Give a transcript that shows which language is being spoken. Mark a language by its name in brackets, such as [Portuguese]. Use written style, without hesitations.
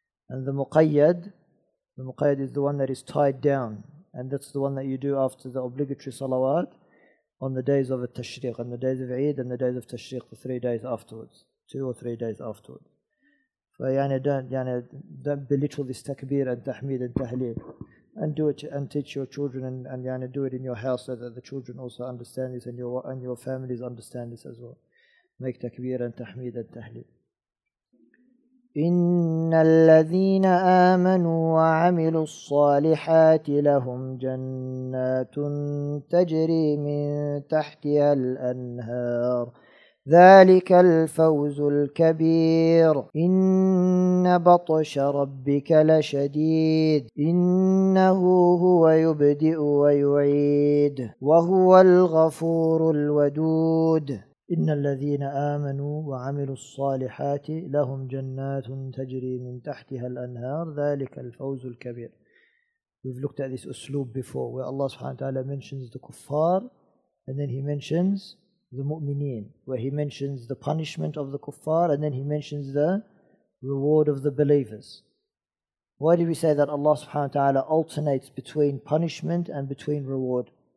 [English] And the muqayyad is the one that is tied down, and that's the one that you do after the obligatory salawat on the days of Tashriq, and the days of Eid and the days of Tashriq, the 3 days afterwards, 2 or 3 days afterwards. So don't belittle this takbir and tahmid and tahleel. And do it and teach your children and do it in your house so that the children also understand this and your families understand this as well. Make takbir and tahmid and tahleel. [Arabic] إِنَّ الَّذِينَ آمَنُوا وَعَمِلُوا الصَّالِحَاتِ لَهُمْ جَنَّاتٌ تَجْرِي مِنْ تَحْتِهَا الْأَنْهَارِ ذلك الفوز الكبير إن بطش ربك لشديد إنه هو يبدئ ويعيد وهو الغفور الودود إن الذين آمنوا وعملوا الصالحات لهم جنات تجري من تحتها الأنهار ذلك الفوز الكبير. [English] We've looked at this أسلوب before where Allah subhanahu wa ta'ala mentions the kuffar and then he mentions the mu'mineen, where he mentions the punishment of the kuffar and then he mentions the reward of the believers. Why do we say that Allah subhanahu wa ta'ala alternates between punishment and between reward?